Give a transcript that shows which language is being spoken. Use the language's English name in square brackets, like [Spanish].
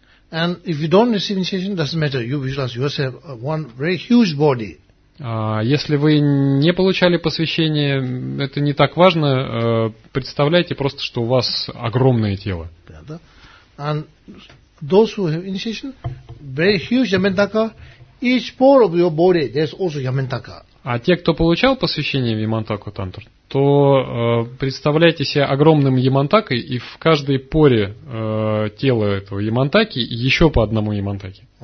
[English] And if you don't receive initiation, doesn't matter. You visualize yourself one very huge body. [Russian] Если вы не получали посвящение, это не так важно. Представляйте просто, что у вас огромное тело. [English] And those who have initiation, very huge yamantaka. Each pore of your body, there's also yamantaka. [Russian] А те, кто получал посвящение в Ямантаку тантру, то представляйте себе огромным Ямантакой, и в каждой поре тела этого Ямантаки еще по одному Ямантаке.